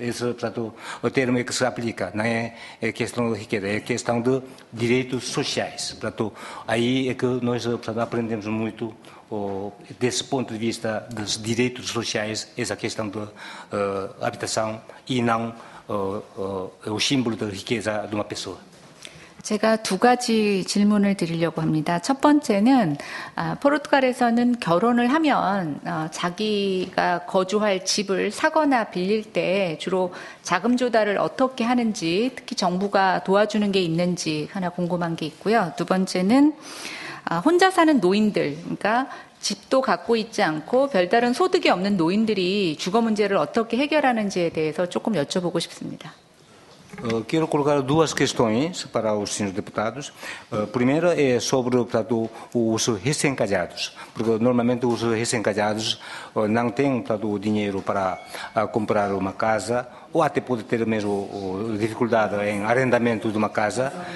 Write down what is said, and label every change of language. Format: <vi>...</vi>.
<pt>Esse portanto, o termo é que se aplica, não é, é questão de riqueza, é questão de direitos sociais. Portanto, aí é que nós portanto, aprendemos muito desse ponto de vista dos direitos sociais, essa questão da habitação e não o símbolo da riqueza de uma pessoa.</pt> <ko>제가 두 가지 질문을 드리려고 합니다. 첫 번째는 포르투갈에서는 결혼을 하면 자기가 거주할 집을 사거나 빌릴 때 주로 자금 조달을 어떻게 하는지 특히 정부가 도와주는 게 있는지 하나 궁금한 게 있고요. 두 번째는 혼자 사는 노인들, 그러니까 집도 갖고 있지 않고 별다른 소득이 없는 노인들이 주거 문제를 어떻게 해결하는지에 대해서 조금 여쭤보고 싶습니다.</ko> <pt>Quero colocar duas questões para os senhores deputados. Primeiro é sobre portanto, os recém-casados, porque normalmente os recém-casados não têm portanto, o dinheiro para comprar uma casa ou até pode ter mesmo dificuldade em arrendamento de uma casa.</pt>